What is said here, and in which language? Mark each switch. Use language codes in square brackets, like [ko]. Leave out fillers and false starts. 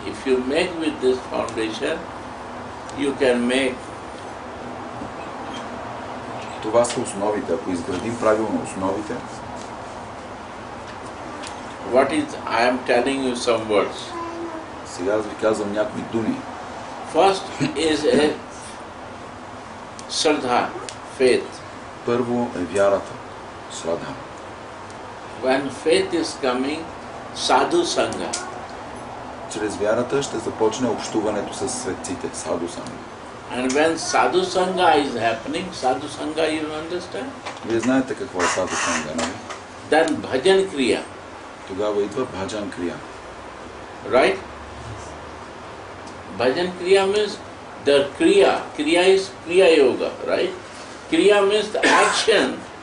[en] If you make with this foundation, you can make. [bg] Това са основите. Ако изградим правилно основите. [en] What is I am telling you some words. [bg] Сега аз ви казвам някои думи. [en] First is a Shraddha, faith. [bg] Първо е вярата, Shraddha. [en] When faith is coming, Sadhu Sangha. [bg] Чрез вярата ще започне общуването с светците, Sadhu Sangha. [en] And when Sadhu Sangha is happening, Sadhu Sangha, you understand? [bg] Вие знаете какво е Sadhu Sangha, нали? [en] Then Bhajan Kriya. [bg] Тогава идва Bhajan Kriya. [en] Right? Bhajan Kriya means the Kriya. Kriya is Kriya Yoga, right? Kriya means the action.